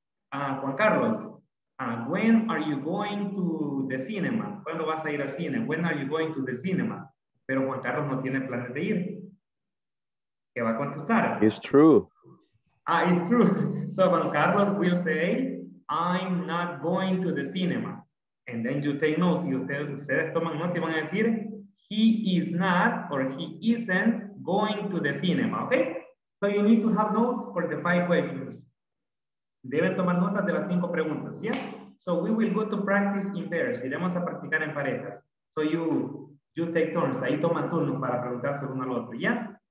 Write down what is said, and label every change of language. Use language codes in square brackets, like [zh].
[en] Juan Carlos, when are you going to the cinema? [es] ¿Cuándo vas a ir al cine? [en] When are you going to the cinema? [es] Pero Juan Carlos no tiene planes de ir. ¿Qué va a contestar? [en] It's true. It's true. So Juan Carlos will say, I'm not going to the cinema. And then you take notes. [es] Y ustedes toman notas y van a decir, [en] he is not or he isn't going to the cinema. ¿Ok? So you need to have notes for the five questions. [es] Deben tomar notas de las cinco preguntas, ¿ya? [en] So we will go to practice in pairs. [es] Iremos a practicar en parejas. [en] So you take turns. [es] Ahí toman turnos para preguntarse uno al otro, ¿ya?